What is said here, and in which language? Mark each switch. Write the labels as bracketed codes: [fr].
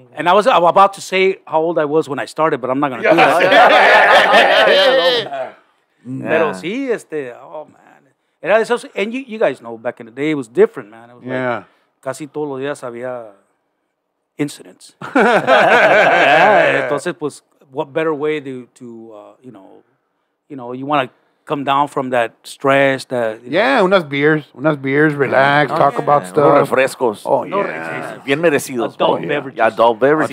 [en] And I was about to say how old I was when I started, but I'm not going to do that. [es] Pero sí, [en] man. And you guys know, back in the day, it was different, man. It was [es] casi todos los días había incidents. Entonces, pues, [en] what better way to you want to come down from that stress. [es] Unas [en] beers, relax, talk about stuff. [es] Unos refrescos. [en] Oh, yeah. [es] Bien merecidos. [en] Adult beverages.